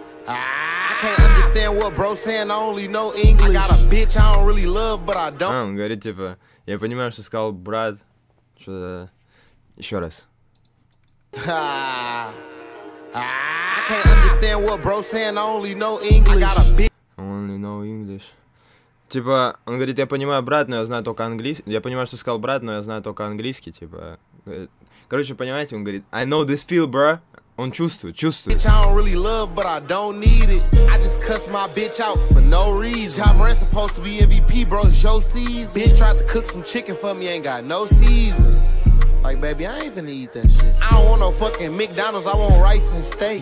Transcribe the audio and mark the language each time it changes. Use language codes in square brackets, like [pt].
[en] I can't understand what bro saying, I only know English. I got a bitch I don't really love, but I don't... [ru] Он говорит, типа, я понимаю, что сказал брат, что-то... Еще раз. [en] I can't understand what bro saying, I only know English. Only know English. [ru] Типа, он говорит, я понимаю, брат, но я знаю только английский. Я понимаю, что сказал брат, но я знаю только английский, типа. Короче, понимаете, он говорит, [en] I know this feel, bro. [ru] Он чувствует. [en] I don't really love, but I don't need it. I just cuss my bitch out for no reason. John Moran's supposed to be MVP, bro, it's your season. Bitch tried to cook some chicken for me, ain't got no season. Like, baby, I ain't finna eat that shit. I don't want no fucking McDonald's, I want rice and steak.